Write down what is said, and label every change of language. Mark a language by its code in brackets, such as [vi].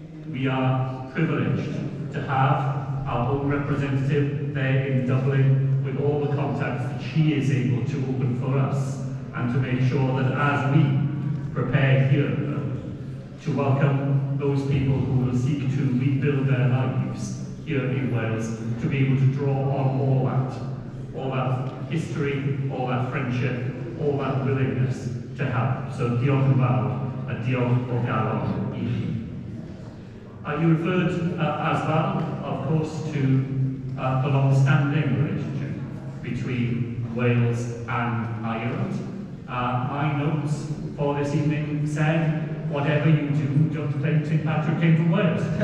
[en] We are privileged to have our own representative there in Dublin with all the contacts that she is able to open for us and to make sure that as we prepare here to welcome those people who will seek to rebuild their lives here in Wales, to be able to draw on all that history, all that friendship, all that willingness to help. [cy] So diolch yn fawr a diolch o galon I chi. [en] You referred as well, of course, to the long-standing relationship between Wales and Ireland. My notes for this evening said, whatever you do, don't think St. Patrick came from Wales.